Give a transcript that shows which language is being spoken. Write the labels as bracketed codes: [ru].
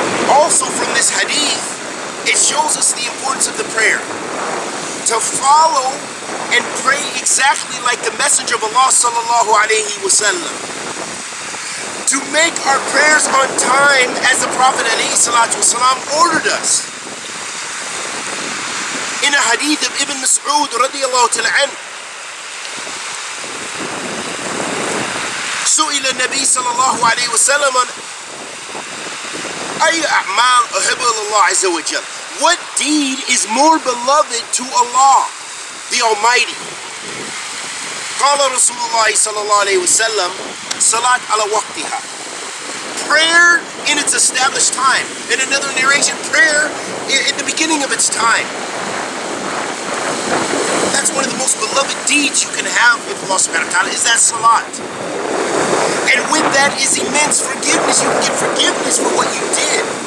[en] Also from this hadith, it shows us the importance of the prayer. To follow and pray exactly like the Messenger of Allah sallallahu alayhi wa sallam. To make our prayers on time as the Prophet alayhi salatu wasalam ordered us. In a hadith of Ibn Mas'ud radiallahu ta'ala anhu, [ar] سئل النبي صلى الله عليه وسلم أي أعمال أحب الله عز وجل. [en] What deed is more beloved to Allah, the Almighty? [ar] قال رسول الله صلى الله عليه وسلم صلاة على وقتها. [en] Prayer in its established time. In another narration, prayer in the beginning of its time. That's one of the most beloved deeds you can have with Allah subhanahu wa ta'ala, is that salat. And with that is immense forgiveness. You can get forgiveness for what you did.